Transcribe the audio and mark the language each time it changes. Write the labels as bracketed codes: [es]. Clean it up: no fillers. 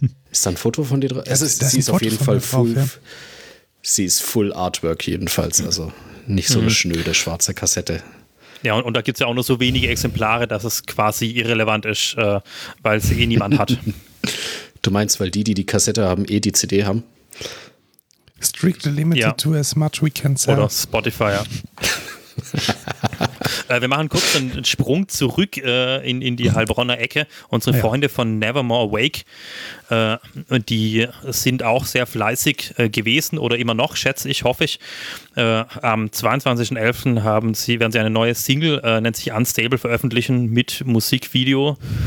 [de] Ist da ein Foto von dir drauf? Ja, sie ist auf jeden Fall full. Drauf, ja. Sie ist full Artwork jedenfalls. Also nicht so eine schnöde schwarze Kassette. Ja, und da gibt es ja auch nur so wenige Exemplare, dass es quasi irrelevant ist, weil sie eh niemand hat. Du meinst, weil die Kassette haben, eh die CD haben? [en] Strictly limited to as much we can sell. [de] Oder Spotify, ja. Wir machen kurz einen Sprung zurück in die Heilbronner Ecke. Unsere Freunde von Nevermore Awake, die sind auch sehr fleißig gewesen oder immer noch, schätze ich, hoffe ich. Am 22.11. werden sie eine neue Single, nennt sich Unstable, veröffentlichen mit Musikvideo.